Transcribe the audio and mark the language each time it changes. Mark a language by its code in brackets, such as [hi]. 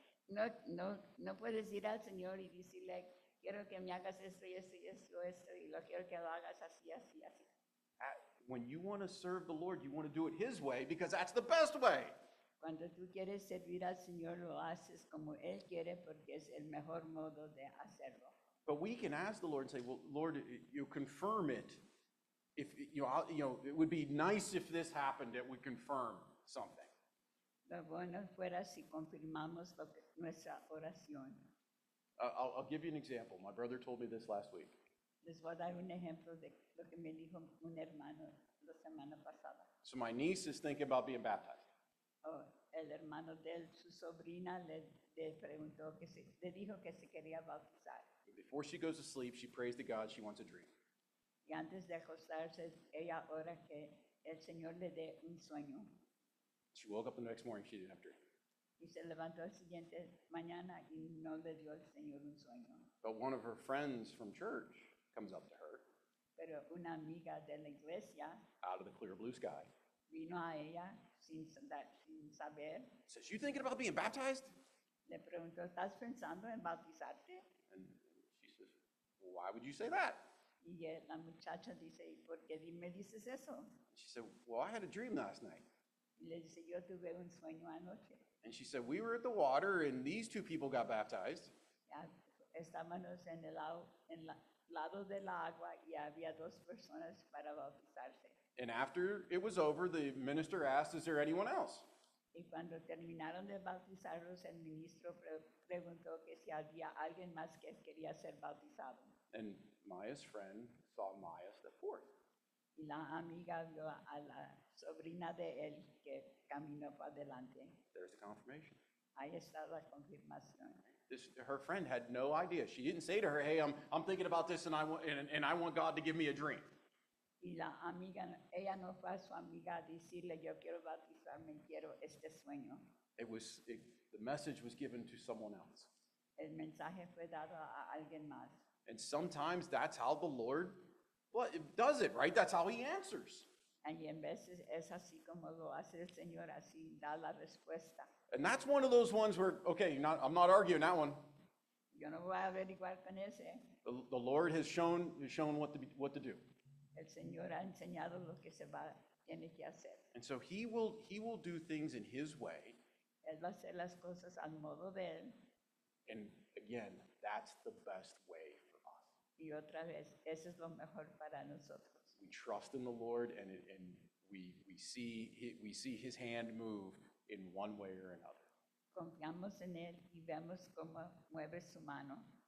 [es] No puedes ir al Señor y decirle, quiero que me hagas esto y esto y esto y esto, y lo quiero que lo hagas así, así, así. [en] When you want to serve the Lord, you want to do it his way because that's the best way. [es] Cuando tú quieres servir al Señor, lo haces como Él quiere porque es el mejor modo de hacerlo. [en] But we can ask the Lord and say, well, Lord, you confirm it. If you know, it would be nice if this happened, that we confirm something. [es] Lo bueno fuera si confirmamos nuestra oración. [en] I'll give you an example. My brother told me this last week. [es] Les voy a dar un ejemplo de lo que me dijo un hermano la semana pasada. [en] So my niece is thinking about being baptized. [es] Oh, el hermano de él, su sobrina le preguntó que si, le dijo que se quería bautizar. [en] Before she goes to sleep, she prays to God she wants a dream. [es] Y antes de acostarse, ella ora que el Señor le dé un sueño. [en] She woke up the next morning, she didn't have a dream. [es] Y se levantó el siguiente mañana y no le dio el Señor un sueño. [en] But one of her friends from church comes up to her. [es] Pero una amiga de la iglesia. [en] Out of the clear blue sky. [es] Vino a ella sin saber. [en] Says, you thinking about being baptized? [es] Le preguntó, ¿estás pensando en bautizarte? [en] And she says, why would you say that? [es] Y la muchacha dice, ¿por qué me dices eso? [en] She said, well, I had a dream last night. [es] Y le dice, yo tuve un sueño anoche. [en] And she said, we were at the water and these two people got baptized. [es] Estábamos en el lado del agua y había dos personas para bautizarse. [en] And after it was over, the minister asked, is there anyone else? [es] Y cuando terminaron de bautizarlos, el ministro preguntó que si había alguien más que quería ser bautizado. [en] And Maya's friend saw Maya step forth. [es] Y la amiga vio a la sobrina de él que caminó para adelante. [en] There's the confirmation. [es] Ahí está la confirmación. [en] This, her friend had no idea. She didn't say to her, hey, I'm thinking about this and I want God to give me a dream. [es] Y la amiga, ella no fue a su amiga a decirle, yo quiero bautizarme, quiero este sueño. [en] The message was given to someone else. [es] El mensaje fue dado a alguien más. [en] And sometimes that's how the Lord does it, right? That's how he answers. [es] Y en veces es así como lo hace el Señor, así da la respuesta. [en] And that's one of those ones where, okay, I'm not arguing that one. [es] Y Yo no voy a averiguar con ese. [en] The Lord has shown what to do. [es] El Señor ha enseñado lo que se va tiene que hacer. [en] And so he will do things in his way. [es] Él va a hacer las cosas al modo de él. [en] And again, that's the best way for us. [es] Y otra vez, eso es lo mejor para nosotros. [en] We trust in the Lord and we see his hand move in one way or another. [es] Confiamos en él y vemos cómo mueve su mano.